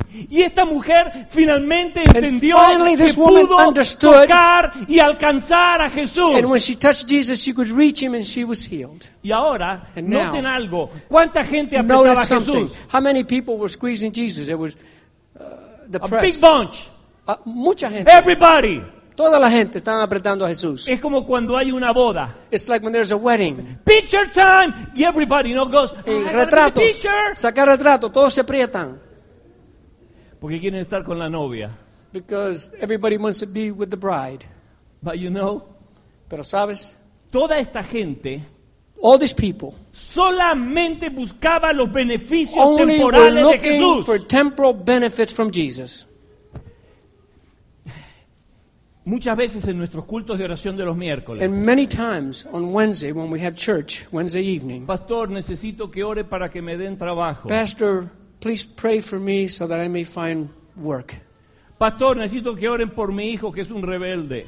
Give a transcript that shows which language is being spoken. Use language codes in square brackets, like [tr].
[es] Y esta mujer finalmente entendió que pudo tocar y alcanzar a Jesús. [en] And when she touched Jesus, she could reach him and she was healed. [es] Y ahora, noten algo. ¿Cuánta gente apretaba a Jesús? [en] How many people were squeezing Jesus? It was the press. A big bunch. [es] Mucha gente. [en] Everybody. [es] Toda la gente estaba apretando a Jesús. Es como cuando hay una boda. [en] It's like when there's a wedding. Picture time. Y everybody, you know, goes. [es] Retratos. Sacar retratos. Todos se aprietan. Porque quieren estar con la novia. [en] Because everybody wants to be with the bride. But you know. [es] Pero sabes. Toda esta gente. [en] All these people. [es] Solamente buscaba los beneficios temporales de Jesús. [en] Only were looking for temporal benefits from Jesus. [es] Muchas veces en nuestros cultos de oración de los miércoles. [en] And many times on Wednesday when we have church Wednesday evening. [es] Pastor, necesito que ore para que me den trabajo. [en] Pastor, please pray for me so that I may find work. [es] Pastor, necesito que oren por mi hijo que es un rebelde.